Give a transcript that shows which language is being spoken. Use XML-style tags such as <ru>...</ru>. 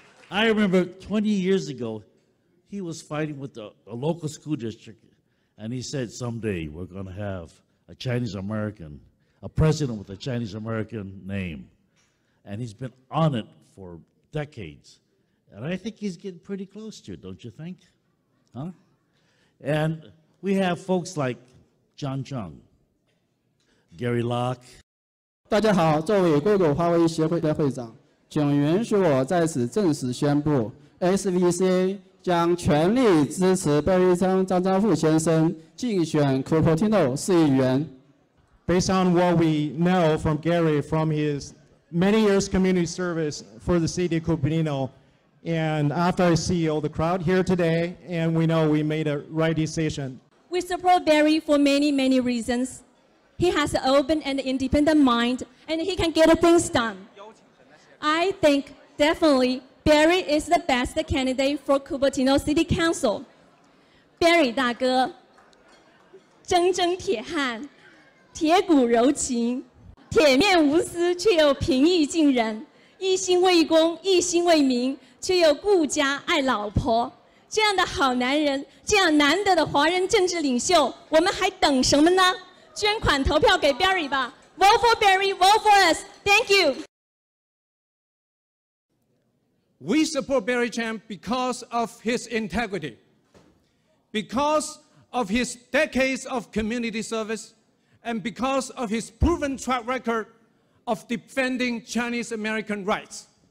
<en>I remember 20 years ago, he was fighting with a local school district, and he said, someday we're going to have a Chinese American, a president with a Chinese American name. And he's been on it for decades. And I think he's getting pretty close to it, don't you think? Huh? And we have folks like John Chung, Gary Locke.</en> <zh>大家好，作为硅谷华为协会的会长。</zh> <en>Based on what we know from Gary, from his many years community service for the city of Cupertino, and after I see all the crowd here today, and we know we made a right decision. We support Barry for many, many reasons. He has an open and independent mind, and he can get things done. I think, definitely, Barry is the best candidate for Cupertino City Council.</en> <zh>Barry大哥, 铮铮铁汉, 铁骨柔情, 铁面无私却又平易近人, 一心为公, 一心为民, 却又顾家爱老婆, 这样的好男人, 这样难得的华人政治领袖, 我们还等什么呢? 捐款投票给Barry吧,</zh> <en>vote for Barry, vote for us, thank you. We support Barry Chang because of his integrity, because of his decades of community service, and because of his proven track record of defending Chinese American rights.</en>